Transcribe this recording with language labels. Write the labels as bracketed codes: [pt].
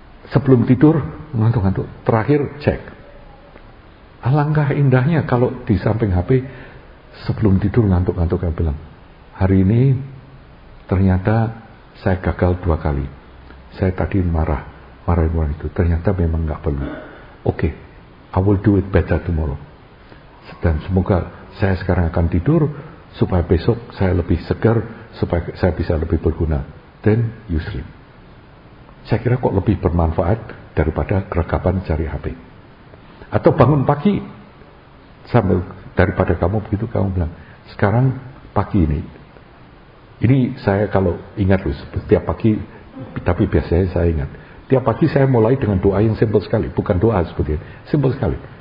[id] Sebelum tidur ngantuk-ngantuk terakhir cek. Alangkah indahnya kalau di samping HP sebelum tidur ngantuk-ngantuk kayak bilang, hari ini ternyata saya gagal 2 kali. Saya tadi marahin orang itu ternyata memang enggak perlu. [en] Oke, okay, I will do it better tomorrow. [id] Dan semoga saya sekarang akan tidur supaya besok saya lebih segar, supaya saya bisa lebih berguna. [en] Then you sleep. [id] Saya kira kok lebih bermanfaat daripada kerekapan cari HP. Atau bangun pagi sambil daripada kamu begitu kamu bilang, sekarang pagi ini saya kalau ingat loh setiap pagi, tapi biasanya saya ingat tiap pagi saya mulai dengan doa yang simple sekali, bukan doa seperti ini, simple sekali.